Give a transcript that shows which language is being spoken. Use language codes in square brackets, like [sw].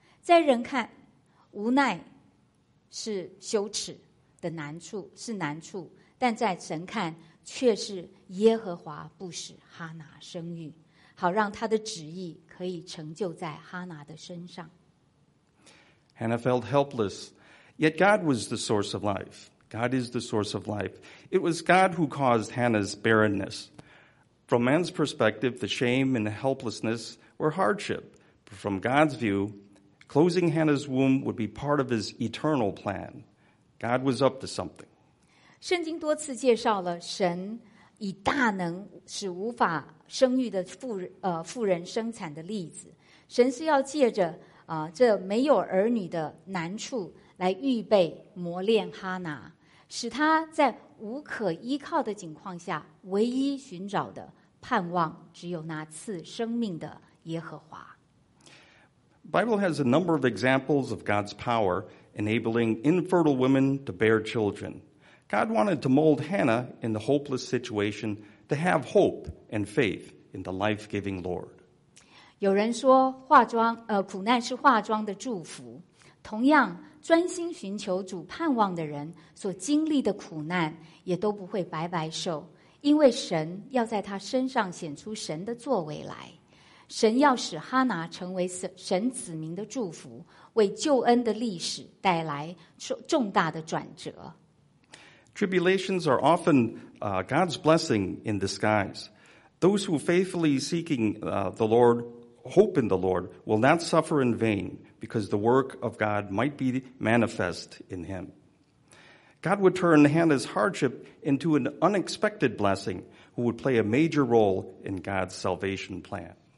[zh] 在人看，无奈是羞耻的难处，是难处，但在神看，却是耶和华不使哈拿生育，好让他的旨意可以成就在哈拿的身上。 [en] Hannah felt helpless, yet God was the source of life. God is the source of life. It was God who caused Hannah's barrenness. From man's perspective, the shame and the helplessness were hardship. But from God's view, closing Hannah's womb would be part of his eternal plan. God was up to something. [zh] 圣经多次介绍了神以大能使无法生育的妇人生产的例子。神是要借着这没有儿女的难处来预备磨练哈拿，使他在无可依靠的情况下，唯一寻找的盼望只有那赐生命的耶和华。 [en] Bible has a number of examples of God's power enabling infertile women to bear children. God wanted to mold Hannah in the hopeless situation to have hope and faith in the life-giving Lord. [zh] 有人说苦难是化妆的祝福。同样，专心寻求主盼望的人所经历的苦难也都不会白白受，因为神要在他身上显出神的作为来。神要使哈拿成为神子民的祝福，为救恩的历史带来重大的转折。 [en] Tribulations are often God's blessing in disguise. Those who faithfully seeking the Lord, hope in the Lord, will not suffer in vain because the work of God might be manifest in him. God would turn Hannah's hardship into an unexpected blessing who would play a major role in God's salvation plan.